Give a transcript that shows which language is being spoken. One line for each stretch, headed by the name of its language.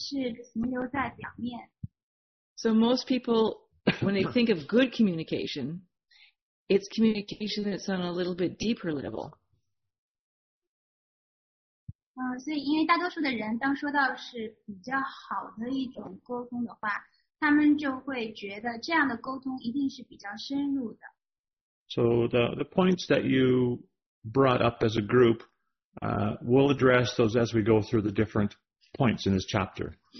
Chinese: 因为两个人的沟通很可能只是停留在表面。So
English: most people, when they think of good communication, it's communication that's on a little bit deeper level.
Chinese: 所以因为大多数的人当说到是比较好的一种沟通的话, 他们就会觉得这样的沟通一定是比较深入的。
English: So the points that you brought up as a group, we'll address those as we go through the different points in this chapter.